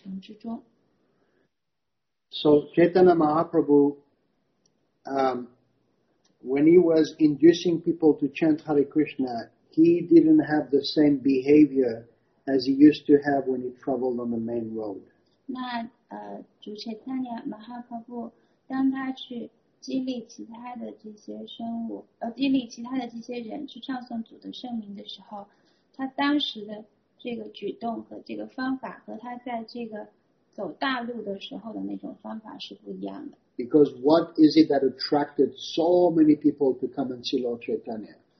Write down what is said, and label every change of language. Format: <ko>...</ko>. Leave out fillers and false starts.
<zh>他就可以激发周围的这些人，让他们也唱诵圣名，加入到这个行列。那么他也就可以鼓舞很多人也进到这个传承之中。</zh> <en>So Chaitanya Mahaprabhu, when he was inducing people to chant Hare Krishna, he didn't have the same behavior as he used to have when he traveled on the main road.</en> <zh>那主持人马哈帕布当他去激励其他的这些生物激励其他的这些人去唱诵主的圣名的时候，他当时的这个举动和这个方法和他在这个走大路的时候的那种方法是不一样的。</zh> <en>Because what is it that attracted so many people to come and see Lord Chaitanya?</en>